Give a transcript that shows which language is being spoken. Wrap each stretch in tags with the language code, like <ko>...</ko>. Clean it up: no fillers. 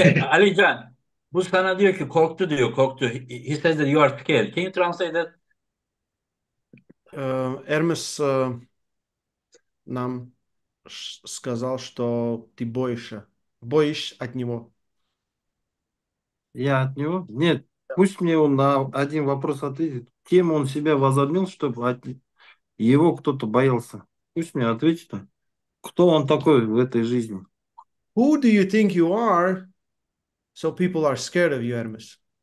<tr>Alizhan, bu sana diyor ki korktu diyor, korktu.</tr> <en>He says that you are scared. Can you translate that?</en> <ru>Ermes нам сказал, что ты боишься. Боишь от него. Я от него? Нет. Пусть мне он на один вопрос ответит. Кем он себя возомнил, чтобы от его кто-то боялся? Пусть мне ответит. Кто он такой в этой жизни?</ru> <en>Who do you think you are so people are scared of you, Hermes?</en>